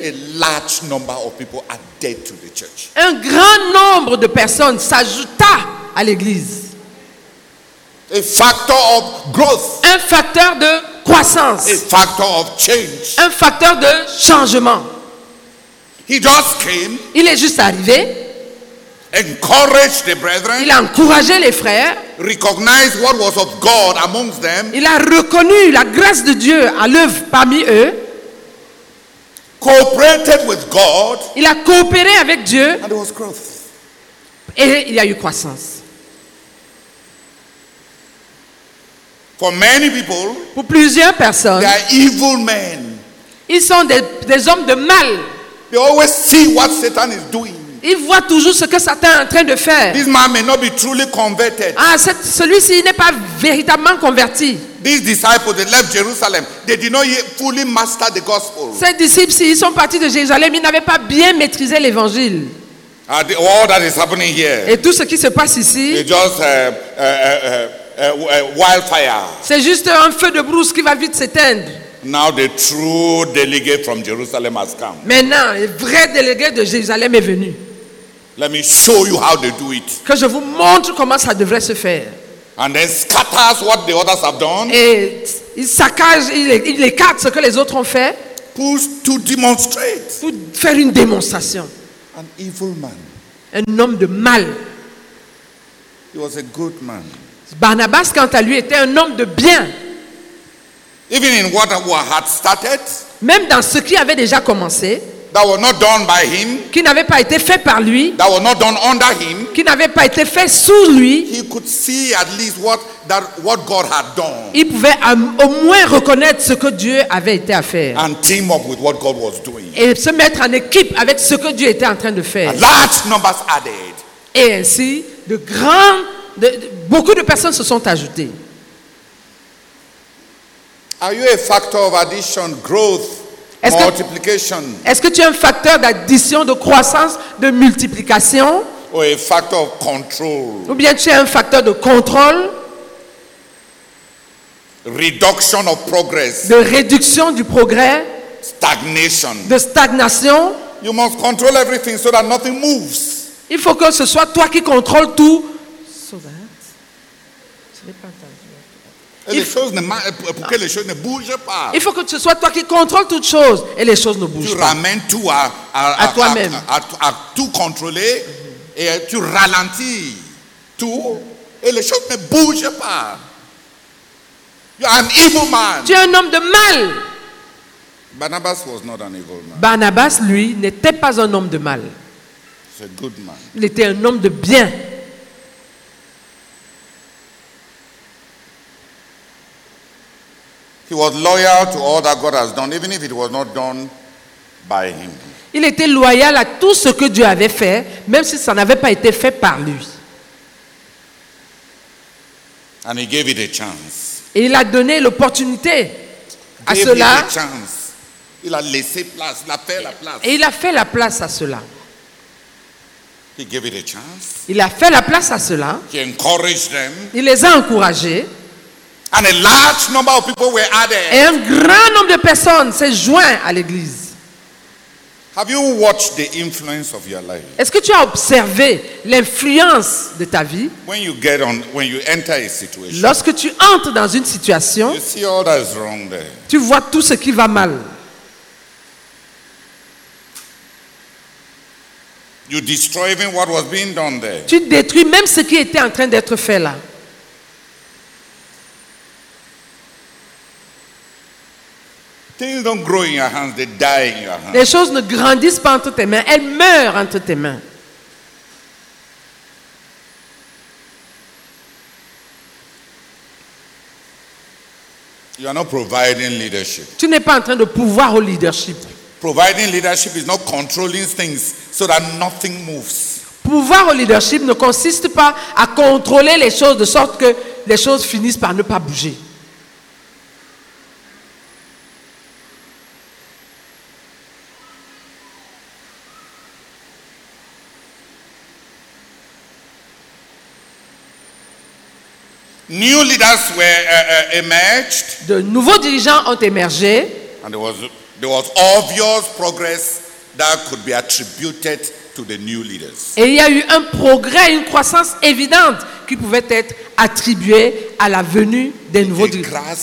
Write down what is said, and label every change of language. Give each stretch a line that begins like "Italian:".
English: a large number of people added to the church.
French: Un grand nombre de personnes s'ajouta à l'église.
English: A factor of growth.
French: Un facteur de croissance.
English: A factor of change.
French: Un facteur de changement.
English: He just came.
French: Il est juste arrivé.
English: Encouraged the brethren.
French: Il a encouragé les frères.
English: Recognized what was of God amongst them.
French: Il a reconnu la grâce de Dieu à l'œuvre parmi eux.
English: Cooperated with God.
French: Il a coopéré avec Dieu.
English: And there was growth.
French: Et il y a eu croissance.
English: For many people,
French: pour plusieurs personnes,
English: they are evil men.
French: Ils sont des hommes de mal.
English: They always see what Satan is doing.
French: Il voit toujours ce que Satan est en train de faire.
English: This man may not be truly converted.
French: Ah, celui-ci n'est pas véritablement converti.
English: These disciples, they left Jerusalem. They did not yet fully master the gospel.
French: Ces disciples, ils sont partis de Jérusalem, ils n'avaient pas bien maîtrisé l'évangile.
English: All that is happening here.
French: Et tout ce qui se passe ici.
English: Wildfire.
French: C'est juste un feu de brousse qui va vite s'éteindre.
English: Now the true delegate from Jerusalem has come.
French: Maintenant, le vrai délégué de Jérusalem est venu.
English: Let me show you how they do it.
French: Que je vous montre comment ça devrait se faire.
English: And then scatters what the others have done.
French: Et il saccage, il écarte ce que les autres ont fait.
English: Push to demonstrate.
French: Pour faire une démonstration.
English: An evil man.
French: Un homme de mal.
English: He was a good man.
French: Barnabas, quant à lui, était un homme de bien.
English: Even in what had started,
French: même dans ce qui avait déjà commencé,
English: that was not done by him,
French: qui n'avait pas été fait par lui,
English: that was not done under him,
French: qui n'avait pas été fait sous lui,
English: he could see at least what God had done.
French: Il pouvait au moins reconnaître ce que Dieu avait été à faire.
English: And team up with what God was doing.
French: Et se mettre en équipe avec ce que Dieu était en train de faire.
English: Large numbers added.
French: Et ainsi, de grands, beaucoup de personnes se sont ajoutées.
English: Are you a factor of addition, growth, multiplication?
French: Est-ce que tu es un facteur d'addition, de croissance, de multiplication?
English: Or a factor of control?
French: Ou bien tu es un facteur de contrôle?
English: Reduction of progress?
French: De réduction du progrès?
English: Stagnation?
French: De stagnation?
English: You must control everything so that nothing moves.
French: Il faut que ce soit toi qui contrôles tout.
English: So that.
French: Il faut que ce soit toi qui contrôles toutes choses et les choses ne bougent tu pas. Tu ramènes tout à toi-même. À tout contrôler et tu ralentis tout et les choses ne bougent pas.
English: You are an evil man.
French: Tu es un homme de mal.
English: Barnabas was not an evil man.
French: Barnabas, lui, n'était pas un homme de mal.
English: He's a good man.
French: Il était un homme de bien.
English: He was loyal to all that God has done, even if it was not done by him.
French: Il était loyal à tout ce que Dieu avait fait, même si ça n'avait pas été fait par lui.
English: And he gave it a chance.
French: Et il a donné l'opportunité à cela.
English: Gave it a chance.
French: Il a laissé place, il a fait la place. Et il a fait la place à cela.
English: He gave it a chance.
French: Il a fait la place à cela.
English: He encouraged them.
French: Il les a encouragés.
English: And a large number of people were added.
French: Et un grand nombre de personnes s'est joint à l'église.
English: Have you watched the influence of your life?
French: Est-ce que tu as observé l'influence de ta vie?
English: When you get on, when you enter a situation,
French: lorsque tu entres dans une situation,
English: you see all that is wrong there.
French: Tu vois tout ce qui va mal.
English: You destroy even what was being done there.
French: Tu détruis même ce qui était en train d'être fait là.
English: Things don't grow in your hands, they die in your hands.
French: Les choses ne grandissent pas entre tes mains, elles meurent entre tes mains.
English: You are not providing leadership.
French: Tu n'es pas en train de pouvoir au leadership.
English: Providing leadership is not controlling things so that nothing moves.
French: Pouvoir au leadership ne consiste pas à contrôler les choses de sorte que les choses finissent par ne pas bouger.
English: New leaders were emerged.
French: De nouveaux dirigeants ont émergé.
English: And there was obvious progress that could be attributed to the new leaders.
French: Et il y a eu un progrès, une croissance évidente qui pouvait être attribuée à la venue des nouveaux dirigeants.